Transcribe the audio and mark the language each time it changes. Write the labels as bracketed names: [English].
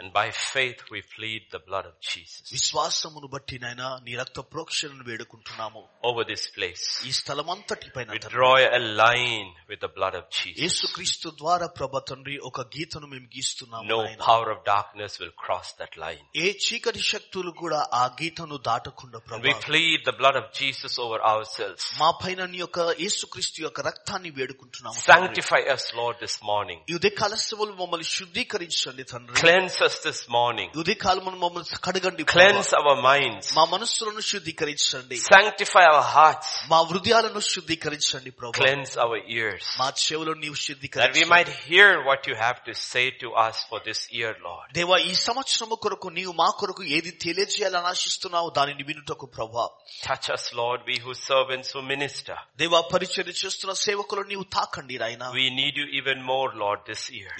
[English] And by faith we plead the blood of Jesus. [Telugu] విశ్వాసమును బట్టి నాయన నీ రక్త ప్రోక్షణను వేడుకుంటున్నాము. [English] Over this place. [Telugu] ఈ స్థలమంతటిపైన. [English] We draw a line with the blood of Jesus. [Telugu] యేసుక్రీస్తు ద్వారా ప్రభు తండ్రి ఒక గీతను మేము గీస్తున్నాము. [English] No power of darkness will cross that line. [Telugu] ఏ చీకటి శక్తులు కూడా ఆ గీతను దాటకుండా ప్రభు. [English] We plead the blood of Jesus over ourselves. [Telugu] మాపైన నీ యొక్క యేసుక్రీస్తు యొక్క రక్తాన్ని వేడుకుంటున్నాము. [English] Sanctify us Lord this morning. [Telugu] యుదే కాలస్వలు మమ్మల్ని శుద్ధీకరించండి తండ్రి. [English] Cleanse us this morning. [Telugu] ఉదయకాలమును మమ్మల్ని కడగండి. [English] Cleanse our minds. [Telugu] మా మనసులను శుద్ధీకరించండి. [English] Sanctify our hearts. [Telugu] మా హృదయాలను శుద్ధీకరించండి ప్రభు. [English] Cleanse our ears. [Telugu] మా చెవులను నీవు శుద్ధీకరించండి. [English] That we might hear what you have to say to us for this year, Lord. [Telugu] దేవా ఈ సంవత్సరము కొరకు నీవు మా కొరకు ఏది తెలియజేయాలని ఆశిస్తున్నావు దానిని వినుటకు ప్రభు. [English] Touch us, Lord, we who servants who minister. [Telugu] దేవా పరిచర్య చేస్తున్న సేవకులను నీవు తాకండి రాయన. [English] We need you even more, Lord, this year.